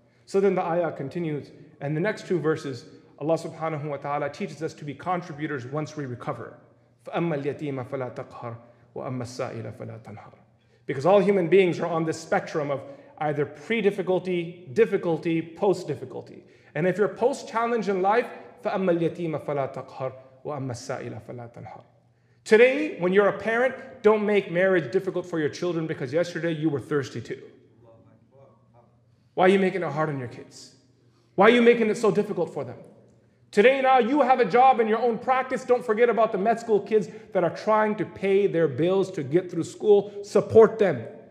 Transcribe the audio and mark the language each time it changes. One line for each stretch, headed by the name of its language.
English: So then the ayah continues, and the next two verses, Allah subhanahu wa ta'ala teaches us to be contributors once we recover.
Arabic: فَأَمَّا الْيَتِيمَ فَلَا تَقْهَرْ وَأَمَّا السَّائِلَ فَلَا تَنْهَرْ.
English: Because all human beings are on this spectrum of either pre-difficulty, difficulty, post-difficulty. And if you're post-challenge in life,
Arabic: فَأَمَّا الْيَتِيمَ فَلَا تَقْهَرْ وَأَمَّا السَّائِلَ فَلَا تَنْهَرْ.
English: Today, when you're a parent, don't make marriage difficult for your children because yesterday you were thirsty too. Why are you making it hard on your kids? Why are you making it so difficult for them? Today now, you have a job in your own practice. Don't forget about the med school kids that are trying to pay their bills to get through school. Support them.